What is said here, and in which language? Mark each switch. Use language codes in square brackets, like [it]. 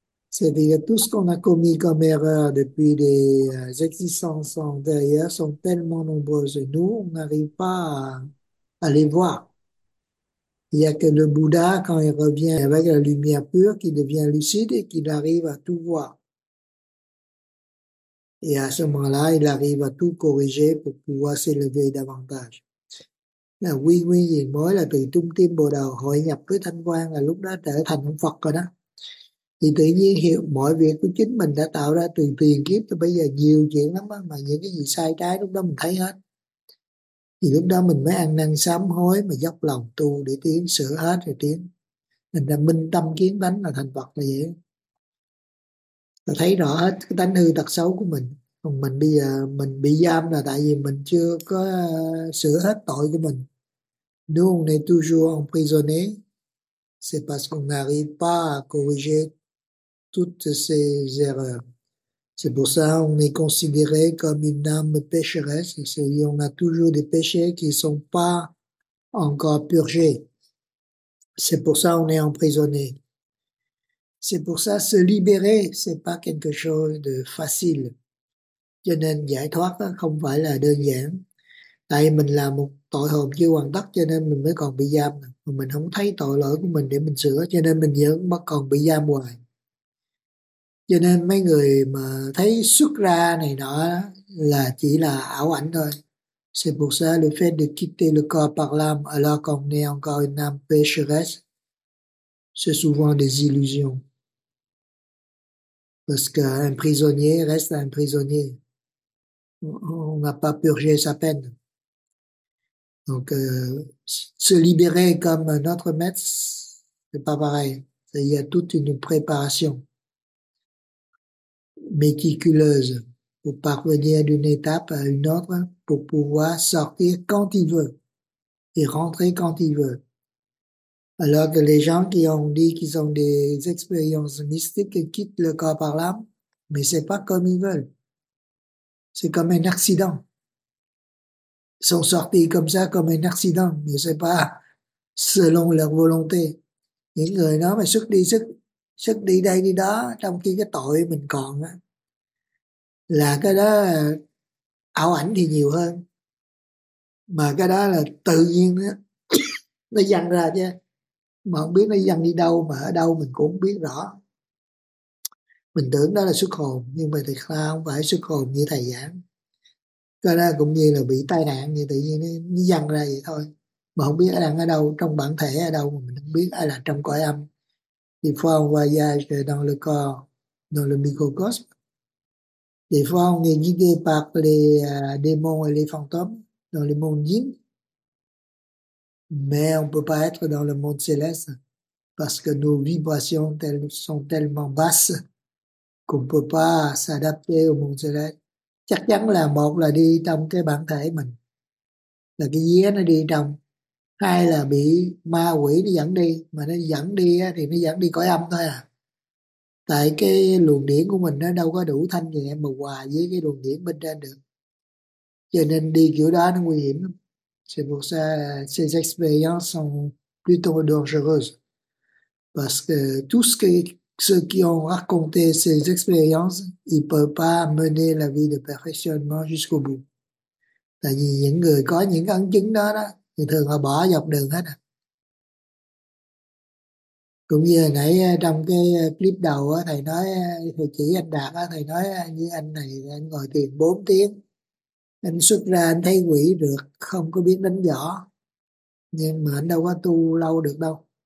[fr] C'est-à-dire tout ce qu'on a commis comme erreur depuis des existences antérieures sont tellement nombreuses et nous, on n'arrive pas à les voir. Il n'y a que le Bouddha, quand il revient avec la lumière pure, qui devient lucide et qu'il arrive à tout voir. Et à ce moment-là, il arrive à tout corriger pour pouvoir s'élever davantage. La oui oui et moi, là [vi] tu tung tim bồ đào hội nhập với thanh quan là lúc đó trở thành Phật rồi đó. Thì tự nhiên hiểu mọi việc của chính mình đã tạo ra từ tiền kiếp cho bây giờ nhiều chuyện lắm đó, mà những cái gì sai trái lúc đó mình thấy hết. Thì lúc đó mình mới ăn năn sám hối mà dốc lòng tu để tiến sửa hết rồi tiến. Mình là minh tâm kiến tánh là thành Phật là vậy. Ta thấy rõ hết cái tánh hư tật xấu của mình. Còn mình bây giờ mình bị giam là tại vì mình chưa có sửa hết tội của mình. [fr] Nous, on est toujours emprisonné. C'est parce qu'on n'arrive pas à corriger toutes ces erreurs. C'est pour ça qu'on est considéré comme une âme pécheresse, c'est-à-dire on a toujours des péchés qui ne sont pas encore purgés. C'est pour ça qu'on est emprisonné. C'est pour ça se libérer, ce n'est pas quelque chose de facile. [vi] Cho nên giải thoát không phải là đơn giản. Tại mình là một tội hồn chưa hoàn tất cho nên mình mới còn bị giam. Mình không thấy tội lỗi của mình để mình sửa cho nên mình vẫn còn bị giam hoài. Cho nên mấy người mà thấy xuất ra này nọ là chỉ là ảo ảnh thôi. [fr] C'est pour ça le fait de quitter le corps par l'âme alors qu'on est encore une âme pécheresse, c'est souvent des illusions. Parce qu'un prisonnier reste un prisonnier. On n'a pas purgé sa peine. Donc, se libérer comme notre maître, c'est pas pareil. Il y a toute une préparation méticuleuse pour parvenir d'une étape à une autre pour pouvoir sortir quand il veut et rentrer quand il veut. Alors que les gens qui ont dit qu'ils ont des expériences mystiques quittent le corps par l'âme, mais c'est pas comme ils veulent. C'est comme un accident. Ils sont sortis comme ça, comme un accident, mais c'est pas selon leur volonté. [vi] Những người đó mà sức đi đây đi đó trong khi cái tội mình còn á là cái đó ảo ảnh thì nhiều hơn mà cái đó là tự nhiên đó, nó dằn ra chứ mà không biết nó dằn đi đâu mà ở đâu mình cũng không biết rõ. Mình tưởng đó là xuất hồn nhưng mà thật ra không phải xuất hồn như thầy giảng, cái đó cũng như là bị tai nạn như tự nhiên nó dằn ra vậy thôi mà không biết nó đang ở đâu, trong bản thể ở đâu mà mình không biết, ai là trong cõi âm. [fr] Des fois, on voyage dans le corps, dans le microcosme. Des fois, on est guidé par les démons et les fantômes dans le monde divin. Mais on ne peut pas être dans le monde céleste parce que nos vibrations sont tellement basses qu'on ne peut pas s'adapter au monde céleste. [vi] Chắc chắn là một là đi trong cái bản thể mình. là cái vía nó đi trong, hai là bị ma quỷ nó dẫn đi, mà nó dẫn đi thì nó dẫn đi cõi âm thôi à, tại cái luồng điển của mình nó đâu có đủ thanh nhẹ mà hòa với cái luồng điển bên trên được, cho nên đi kiểu đó nó nguy hiểm lắm. [fr] C'est pour ça, ces expériences sont plutôt dangereuses. Parce que tout ce qui ont raconté ces expériences, ils peuvent pas mener la vie de perfectionnement jusqu'au bout. [vi] Tại vì những người có những ấn chứng đó đó, thì thường họ bỏ dọc đường hết à. Cũng như hồi nãy trong cái clip đầu á, thầy nói, thầy chỉ anh Đạt á, thầy nói như anh này, anh ngồi thiền 4 tiếng, anh xuất ra anh thấy quỷ được, không có biết đánh võ, nhưng mà anh đâu có tu lâu được đâu.